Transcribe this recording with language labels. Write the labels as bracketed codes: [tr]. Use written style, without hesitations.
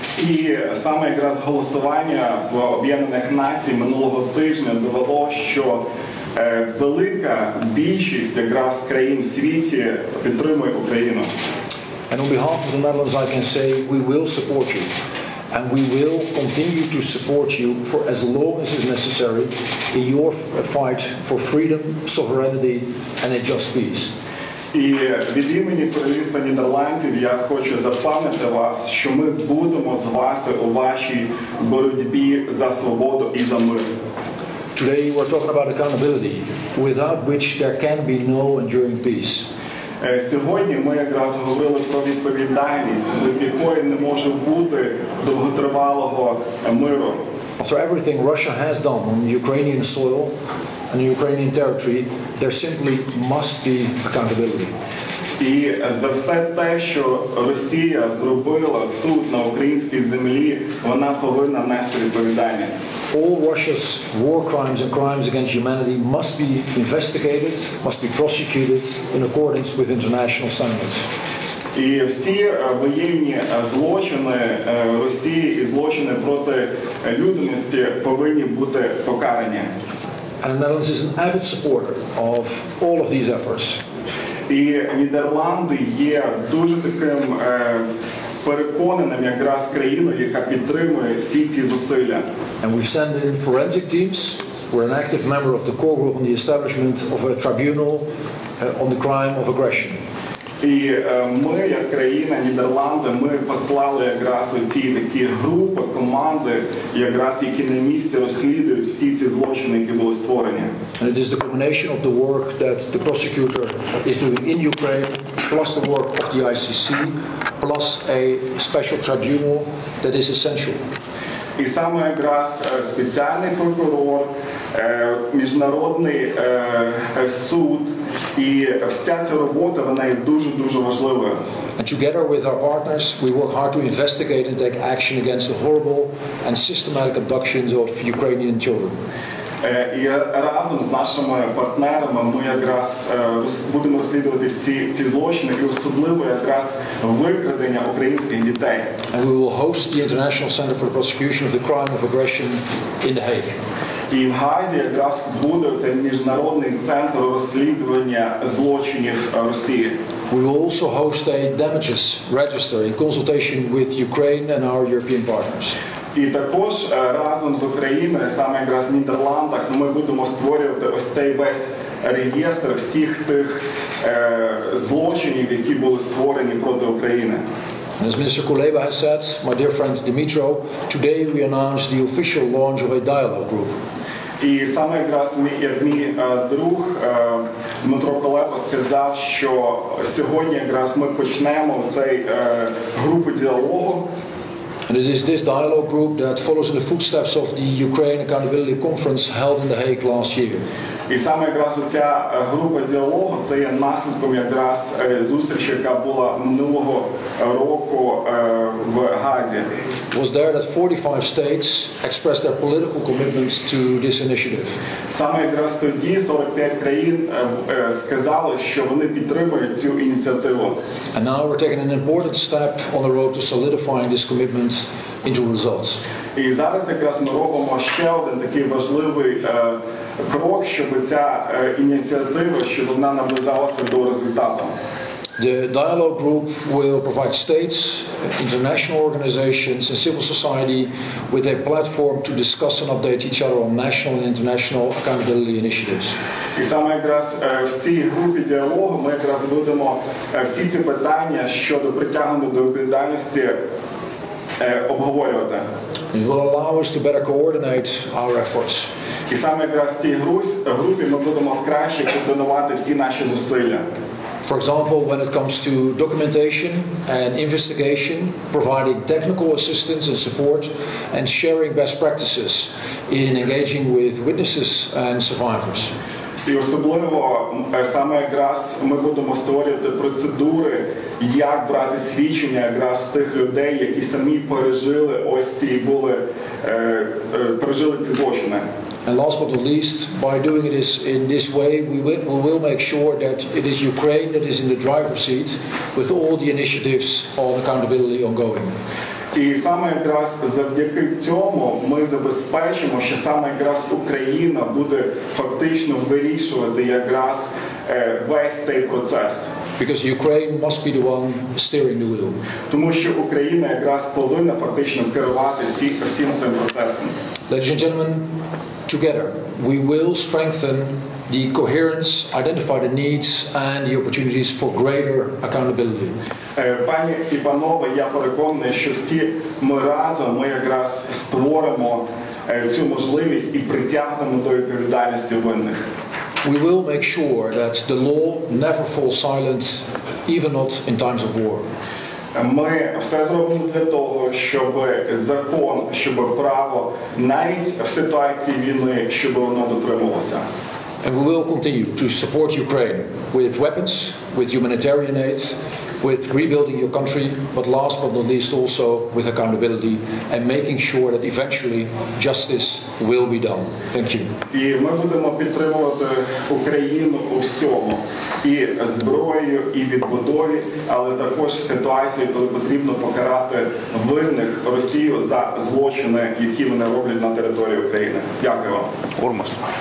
[uk] І саме якраз голосування в Об'єднаних Націй минулого тижня довело, що велика більшість якраз країн в світі підтримує Україну. [en] And on behalf of the Netherlands, I can say we will support you. And we will continue to support you for as long as is necessary in your fight for freedom, sovereignty and a just peace. [uk] І від імені Королівства Нідерландів я хочу запевнити вас, що ми будемо звати у вашій боротьбі за свободу і за мир. [en] Today we're talking about accountability, without which there can be no enduring peace. [uk] Сьогодні ми якраз говорили про відповідальність, без якої не може бути довготривалого миру. [en] After everything Russia has done on Ukrainian soil and Ukrainian territory, there simply must be accountability. [uk] І за все те, що Росія зробила тут, на українській землі, вона повинна нести відповідальність. [en] All Russia's war crimes and crimes against humanity must be investigated, must be prosecuted in accordance with international standards. [uk] І всі воєнні злочини Росії і злочини проти людяності повинні бути покарані. [en] And the Netherlands is an avid supporter of all of these efforts. [uk] І Нідерланди є дуже таким переконаним якраз країною, яка підтримує всі ці зусилля. [en] And we've sent in forensic teams. We're an active member of the core group on the establishment of a tribunal on the crime of aggression. [uk] І ми, як країна Нідерланди, ми послали якраз оці такі групи, команди, якраз які на місці розслідують всі ці злочини, які були створені. [en] And it is the combination of the work that the prosecutor is doing in Ukraine, plus the work of the ICC, plus a special tribunal that is essential. [uk] І саме якраз спеціальний прокурор, міжнародний суд, і вся ця робота, вона є дуже-дуже важлива. [en] And together with our partners, we work hard to investigate and take action against the horrible and systematic abductions of Ukrainian children. [uk] І разом з нашими партнерами ми якраз будемо розслідувати ці злочини і особливо якраз викрадення українських дітей. [en] And we will host the International Center for the Prosecution of the Crime of Aggression in The Hague. [uk] І в Гаазі якраз буде цей міжнародний центр розслідування злочинів Росії. [en] We will also host a damages register in consultation with Ukraine and our European partners. [uk] І також разом з Україною, саме якраз в Нідерландах, ми будемо створювати ось цей весь реєстр всіх тих злочинів, які були створені проти України. [en] As Mr. Kulleba has said, my dear friend Dmitro, today we announce the official launch of a dialogue group. [uk] І саме якраз мій друг Дмитро Кулеба сказав, що сьогодні якраз ми почнемо цей групу діалогу. [en] And it is this dialogue group that follows in the footsteps of the Ukraine Accountability Conference held in The Hague last year. [uk] І саме якраз ця група діалогу, це є наслідком якраз зустрічі, яка була минулого року в Гаазі. [en] It was there that 45 states expressed their political commitments to this initiative. [uk] Саме якраз тоді 45 країн сказали, що вони підтримують цю ініціативу. [en] And now we're taking an important step on the road to solidifying this commitment into results. [uk] І зараз якраз ми робимо ще один такий важливий крок, щоб ця ініціатива, щоб вона наближалася до результату. [en] The dialogue group will provide states, international organizations and civil society with a platform to discuss and update each other on national and international accountability initiatives. [uk] І саме якраз в цій групі діалогу ми якраз будемо всі ці питання щодо притягнення до відповідальності обговорювати. [en] It will allow us to better coordinate our efforts. [uk] І саме якраз в цій групі ми будемо краще координувати всі наші зусилля. [en] For example, when it comes to documentation and investigation, providing technical assistance and support, and sharing best practices in engaging with witnesses and survivors. [uk] І особливо саме якраз ми будемо створювати процедури, як брати свідчення якраз тих людей, які самі пережили ось ці були пережили ці злочини. [en] And last but not least, by doing this in this way, we will make sure that it is Ukraine that is in the driver's seat with all the initiatives on accountability ongoing. [uk] І саме якраз завдяки цьому ми забезпечимо, що саме якраз Україна буде фактично вирішувати якраз весь цей процес. [en] Because Ukraine must be the one steering the wheel. [uk] Тому що Україна якраз повинна фактично керувати всім цим процесом. [en] Ladies and gentlemen, together we will strengthen the coherence, identify the needs and the opportunities for greater accountability. [uk] Пані і панове, я переконаний, що всі ми разом, ми якраз створимо цю можливість і притягнемо до відповідальності винних. [en] We will make sure that the law never falls silent, even not in times of war. [uk] Ми все зробимо для того, щоб закон, щоб право, навіть в ситуації війни, щоб воно дотримувалося. [en] And we will continue to support Ukraine with weapons, with humanitarian aid, with rebuilding your country, but last but not least also with accountability and making sure that eventually justice will be done. Thank you. [uk] І ми будемо підтримувати Україну у всьому, і зброєю, і відбудові, але також в ситуації, коли потрібно покарати винних Росію за злочини, які вони роблять на території України. Дякую вам. Урмас.